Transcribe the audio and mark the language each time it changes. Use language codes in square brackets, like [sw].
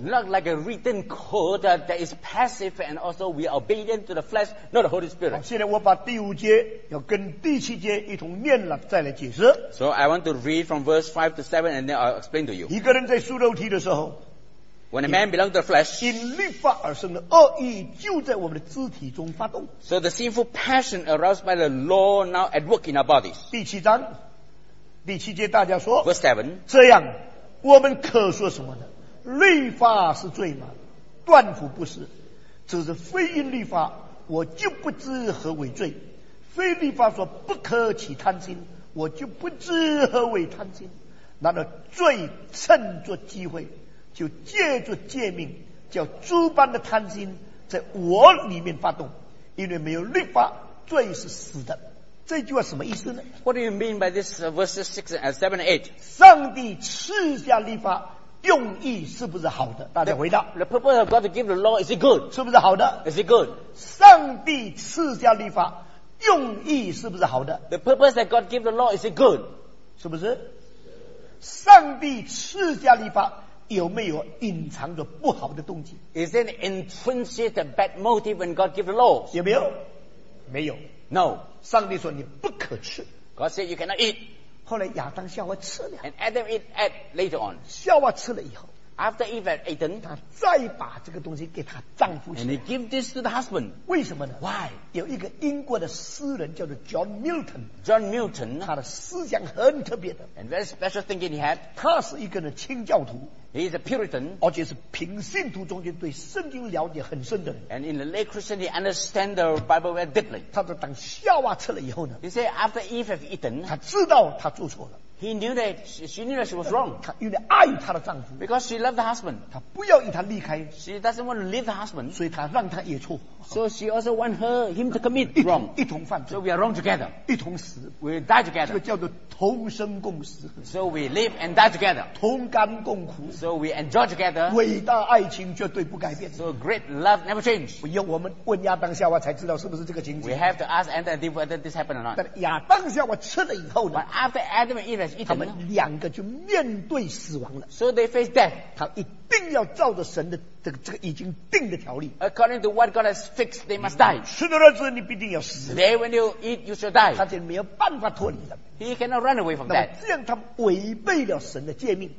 [en] Not like a written code that is passive and also we are obedient to the flesh, not the Holy Spirit. [zh] 现在我把第五节要跟第七节一同念了再来解释。 [en] So I want to read from verse 5 to 7 and then I'll explain to you. [zh] 一个人在属肉体的时候， [en] When a man belongs to the flesh, [zh] 因律法而生的恶意就在我们的肢体中发动。 [en] So the sinful passion aroused by the law now at work in our bodies. [zh] 第七章第七节大家说， [en] verse 7, [zh] 这样我们可说什么呢？律法是罪吗？断乎不是。只是非因律法，我就不知何为罪。非律法说不可起贪心，我就不知何为贪心。难道罪趁着机会，就借着诫命，叫诸般的贪心在我里面发动？因为没有律法，罪是死的。这句话什么意思呢？ [en] What do you mean by this verses 6 and 7 and 8? [zh] 上帝赐下律法用意是不是好的？大家回答。 [en] The purpose of God to give the law, is it good? [zh] 是不是好的？ [en] Is it good? [zh] 上帝赐下律法用意是不是好的？ [en] The purpose that God give the law, is it good? [zh] 是不是？上帝赐下律法有没有隐藏着不好的动机？ [en] Is there an intrinsic bad motive when God gives laws? [zh] 有没有？没有。 [en] No. [zh] 上帝说你不可吃。 [en] God said you cannot eat. [zh] 后来亚当夏娃吃了。 [en] And Adam eat later on. [zh] 夏娃吃了以后。 [en] After Eve had eaten, [zh] 她再把这个东西给她丈夫吃。 [en] And he gave this to the husband. [zh] 为什么呢？ [en] Why? [zh] 有一个英国的诗人叫做 John Milton. [en] John Milton. [zh] 他的思想很特别的。 [en] And very special thinking he had. [zh] 他是一个的清教徒。 [en] He is a Puritan. [zh] 而且是平信徒中间对圣经了解很深的人。 [en] And in the late Christian, he understand the Bible very deeply. [zh] 他说当夏娃吃了以后呢。 [en] He said after Eve had eaten. [zh] 他知道他做错了。 [en] He knew that she knew that she was wrong. [zh] 她因为爱她的丈夫。 [en] Because she loved the husband. [zh] 她不要与他离开。 [en] She doesn't want to leave the husband. [zh] 所以她让他也错。 [en] So she also want him to commit wrong. [zh] 一同犯罪。 [en] So we are wrong together. [zh] 一同死。 [en] We die together. [zh] 这个叫做同生共死。 [en] So we live and die together. [zh] 同甘共苦。 [en] So we enjoy together. [zh] 伟大爱情绝对不改变。 [en] So great love never change. [zh] 不用我们问亚当夏娃才知道是不是这个情景。 [en] We have to ask Adam and Eve whether this happened or not. [zh] 但亚当夏娃吃了以后呢？ [en] But after Adam and Eve [zh] 他们两个就面对死亡了。 [en] So they face death. [zh] 他一定要照着神的这个已经定的条例。 [en] According to what God has fixed, they must die. [zh] 吃的日子你必定要死。 [en] Today when you eat, you shall die. [zh] 他就没有办法脱离了。 [en] He cannot run away from that. [zh] 那么这样他违背了神的诫命。